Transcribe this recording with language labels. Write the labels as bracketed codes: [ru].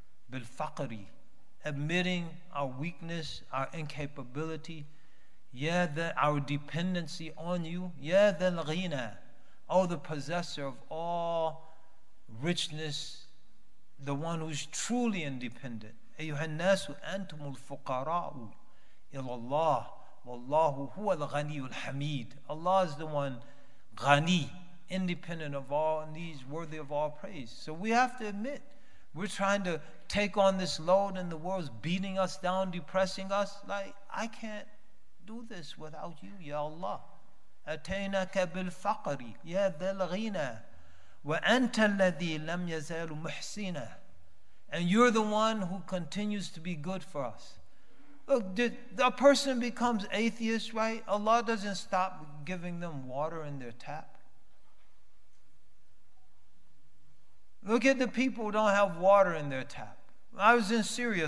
[ar] Bil faqri, [en] admitting our weakness, our incapability, [ar] ya dhal, [en] our dependency on you. [ar] Ya dhal ghina, [en] Oh, the possessor of all richness, the one who is truly independent. [ar] أيها الناس أنتم الفقراء إلى الله والله هو الغني الحميد. [en] Allah is the one, غني, independent of all needs, worthy of all praise. So we have to admit, we're trying to take on this load and the world's beating us down, depressing us. Like, I can't do this without you, Ya Allah. [ar] أتيناك بالفقر يا ذا الغنى وأنت الذي لم يزال محسنا. [en] And you're the one who continues to be good for us. Look, a person becomes atheist, right? Allah doesn't stop giving them water in their tap. Look at the people who don't have water in their tap. I was in Syria.